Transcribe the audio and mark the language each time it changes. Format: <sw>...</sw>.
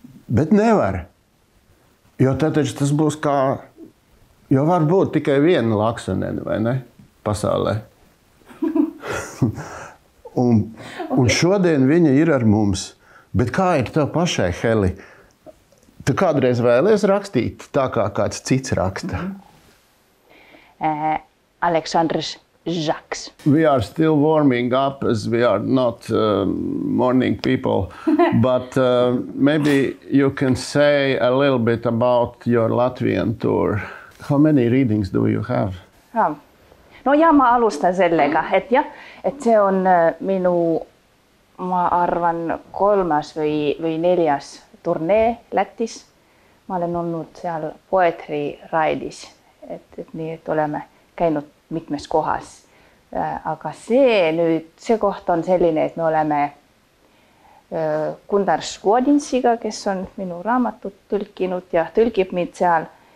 <lv>Bet nevar, jo tātad tas būs kā, jo var būt tikai viena Laksonene, vai ne, pasaulē. un šodien viņa ir ar mums. Bet kā ir tev pašai, Heli? Tu kādreiz vēlies rakstīt tā, kā kāds cits raksta? Aleksandrs Žaks.</lv> <en>We are still warming up as we are not morning people. But maybe you can say a little bit about your Latvian tour. How many readings do you have?</en> <et>No jaa, mä alustan sellega, että se on minu... Ma arvan kolmas või neljas turnee Lätis. Ma olen olnud seal Poetry Ride'is, et oleme käinud mitmes kohas. Aga see koht on selline, et me oleme Gunnar Skodinsiga, kes on minu raamatut tõlkinud ja tõlkib mind seal.</et>